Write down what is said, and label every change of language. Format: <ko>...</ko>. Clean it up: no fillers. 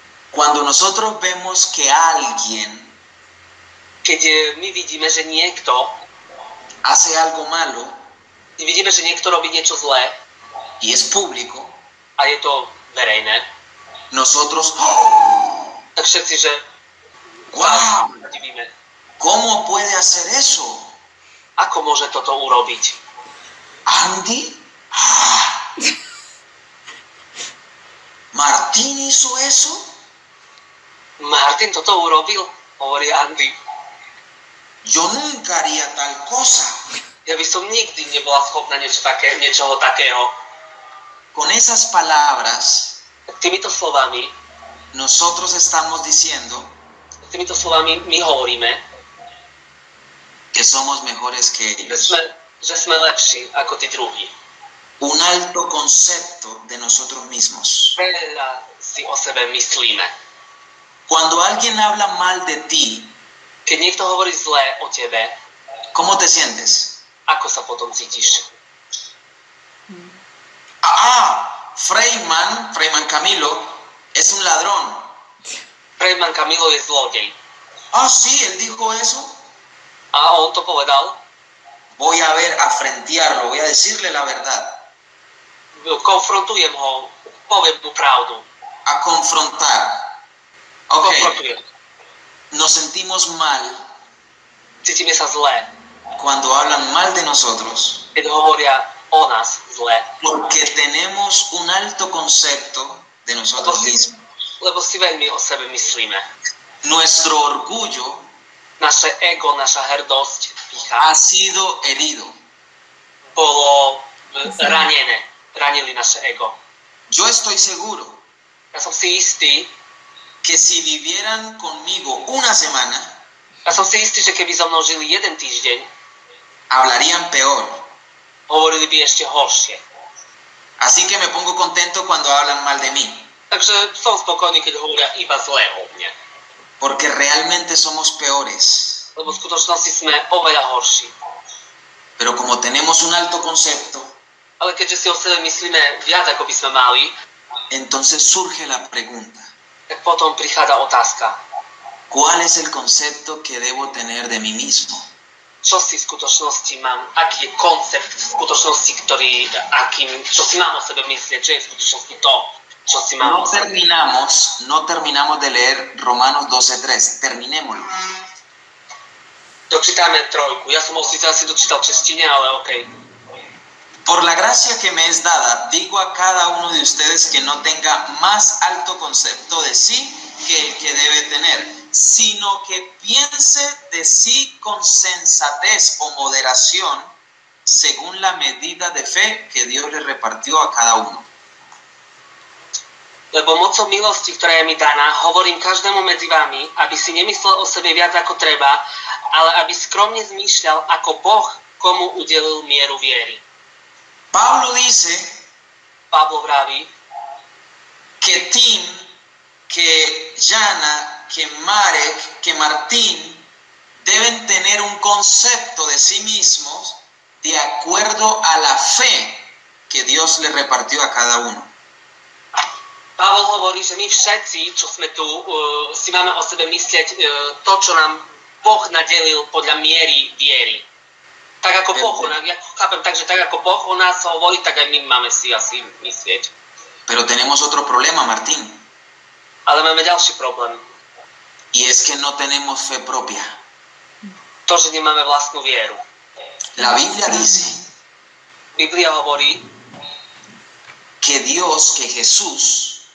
<es>Cuando nosotros vemos que alguien,</es> <sk>keď my vidíme, že niekto</sk> <es>hace algo malo,</es> <sk>vidíme, že niekto robí niečo zlé,</sk> <es>y es público,</es> <sk>a je to verejné,</sk> <es>nosotros,</es> <sk>tak všetci, že</sk> <es>wow, ¿cómo puede hacer eso?</es> <sk>Ako môže toto urobiť?</sk> <es>Andy? Martin hizo eso?</es> <sk>Martin toto urobil, hovorí Andy.</sk> <es>Yo nunca haría tal cosa.</es> <sk>Ja by som nikdy nebola schopná niečoho takého.</sk> <es>Con esas palabras,</es> <sk>týmito slovami,</sk> <es>nosotros estamos diciendo,</es> <sk>týmito slovami my hovoríme,</sk> <es>que somos mejores que ellos.</es> <sk>Že sme lepší ako tí druhí.</sk> <es>Un alto concepto de nosotros mismos.</es> <sk>Veľa si o sebe myslíme.</sk> <es>Cuando alguien habla mal de ti,</es> <sk>keď niekto hovorí zle o tebe,</sk> <es>¿cómo te sientes?</es> <sk>Ako sa potom cítiš?</sk> <es>Freyman Camilo es un ladrón.</es> <sk>Freyman Camilo es zlodej.</sk> <es>Sí, él dijo eso.</es> <sk>On to povedal.</sk> <es>Voy a ver, a frentearlo, voy a decirle la verdad.</es> <sk>Konfrontujem ho, poviem mu pravdu.</sk> <es>A confrontar.</es> <sk>Konfrontujem.</sk> <es>Nos sentimos mal.</es> <sk>Cítime sa zle.</sk> <es>Cuando hablan mal de nosotros.</es> <sk>Keď hovoria o nás zle.</sk> <es>Porque tenemos un alto concepto de nosotros mismos.</es> <sk>Lebo si veľmi o sebe myslíme.</sk> <es>Nuestro orgullo.</es> <sk>Naše ego, naša hrdosť, pícha.</sk> <es>Ha sido herido.</es> <sk>Bolo ranené. Ranili naše ego.</sk> <es>Yo estoy seguro.</es> <sk>Ja som si istý.</sk> <es>Que si vivieran conmigo una semana.</es> <sk>Ja som si istý, že keby so mnou žili jeden týždeň.</sk> <es>Hablarían peor.</es> <sk>Hovorili by ešte horšie.</sk> <es>Así que me pongo contento cuando hablan mal de mí.</es> <sk>Takže som spokojný, keď hovoria iba zle o mne.</sk> <es>Porque realmente somos peores.</es> <sk>Lebo v skutočnosti sme oveľa horší.</sk> <es>Pero como tenemos un alto concepto.</es> <sk>Ale keďže si o sebe myslíme viac, ako by sme mali.</sk> <es>Entonces surge la pregunta.</es> <sk>Tak potom prichádza otázka.</sk> <es>¿Cuál es el concepto que debo tener de mí mismo?</es> <sk>Čo si v skutočnosti mám? Aký je koncept v skutočnosti, ktorý, akým, čo si mám o sebe myslieť? Čo je v skutočnosti to?</sk> <es>No terminamos de leer Romanos 12:3. Terminémoslo.</es> <sk>Dočítame trojku. Ja som asi dočítal češtine, ale OK.</sk> <es>Por la gracia que me es dada, digo a cada uno de ustedes que no tenga más alto concepto de sí que el que debe tener, sino que piense de sí con sensatez o moderación según la medida de fe que Dios le repartió a cada uno.</es> <sk>Lebo mocou milosti, ktorá je mi daná, hovorím každému medzi vami, aby si nemyslel o sebe viac ako treba, ale aby skromne zmýšľal ako Boh, komu udelil mieru viery.</sk> <es>Pablo</es> <sk>vraví,</sk> <es>que Tim, que Jana, que Marek, que Martín deben tener un concepto de sí mismos de acuerdo a la fe que Dios le repartió a cada uno.</es> <sk>Pavel hovorí, že my všetci, čo sme tu, si máme o sebe myslieť to, čo nám Boh nadelil podľa miery viery. Tak ako Boh, ja chápem, takže tak ako Boh o nás hovorí, tak aj my máme si asi myslieť.</sk> <es>Pero tenemos otro problema, Martín.</es> <sk>Ale máme ďalší problém.</sk> <es>Y es que no tenemos fe propia.</es> <sk>To, že nemáme vlastnú vieru.</sk> <es>La Biblia dice.</es> <sk>Biblia hovorí.</sk> <es>Que Dios, que Jesús.</es>